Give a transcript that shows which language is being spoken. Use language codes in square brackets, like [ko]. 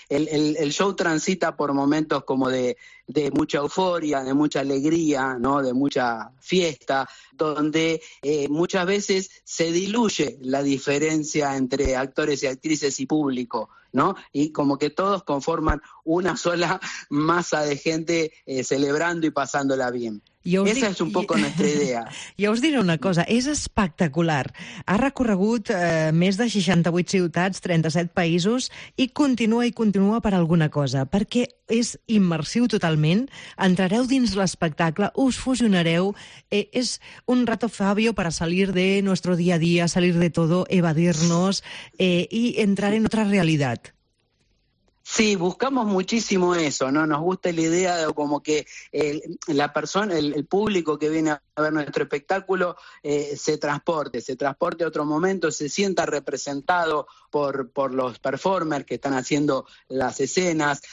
[es] El show transita por momentos como de mucha euforia, de mucha alegría, ¿no? De mucha fiesta, donde muchas veces se diluye la diferencia entre actores y actrices y público, ¿no? Y como que todos conforman una sola masa de gente celebrando y pasándola bien. [ca] Aquesta és un poc la nostra idea. Jo us diré una cosa, és espectacular. Ha recorregut més de 68 ciutats, 37 països, i continua per alguna cosa, perquè és immersiu totalment, entrareu dins l'espectacle, us fusionareu, és un rato Fabio [es] para salir de nuestro día a día, salir de todo, evadirnos y entrar en otra realidad. Sí, buscamos muchísimo eso, ¿no? Nos gusta la idea de como que la persona, el público que viene a ver nuestro espectáculo se transporte a otro momento, se sienta representado por los performers que están haciendo las escenas.